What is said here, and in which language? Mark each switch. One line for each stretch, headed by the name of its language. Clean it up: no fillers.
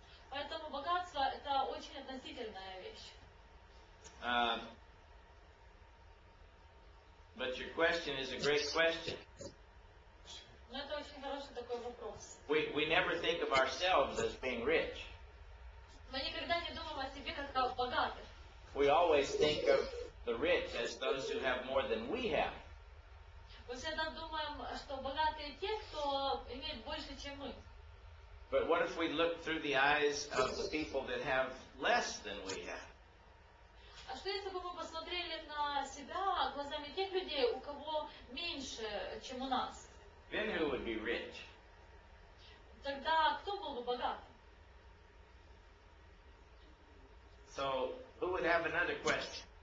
Russian: Поэтому богатство – это очень относительная вещь.
English: But your question is a great question.
Russian: Но это очень хороший такой вопрос.
English: We never think of ourselves as being rich.
Russian: Мы никогда не думаем о себе как о богатых.
English: We always think of the rich as those who have more than we have.
Russian: Мы всегда думаем, что богатые те, кто имеет больше, чем мы.
English: But what if we look through the eyes of the people that have less than we have?
Russian: А что если бы мы посмотрели на себя глазами тех людей, у кого меньше, чем у нас?
English: Then who would be rich?
Russian: Тогда кто был бы богат?
English: So, who would have another question?